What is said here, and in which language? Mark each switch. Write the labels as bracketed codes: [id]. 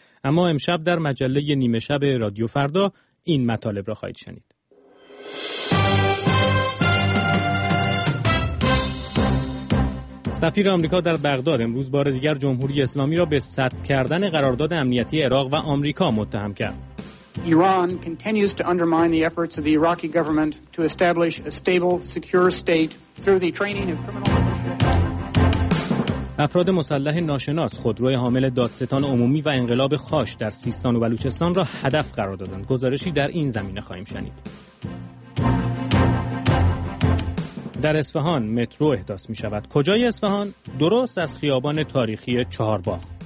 [fa] اما امشب در مجله نیمه شب رادیو فردا این مطالب را خواهید شنید. سفیر آمریکا در بغداد امروز بار دیگر جمهوری اسلامی را به سد کردن قرارداد امنیتی عراق و آمریکا متهم کرد. [en] Iran continues to undermine the efforts of the Iraqi government to establish a stable, secure state through the training of criminal. [fa] افراد مسلح ناشناس خودروی حامل دادستان عمومی و انقلاب خاش در سیستان و بلوچستان را هدف قرار دادند. گزارشی در این زمینه خواهیم شنید. در اصفهان مترو احداث می شود. کجای اصفهان؟ درست از خیابان تاریخی چهارباغ.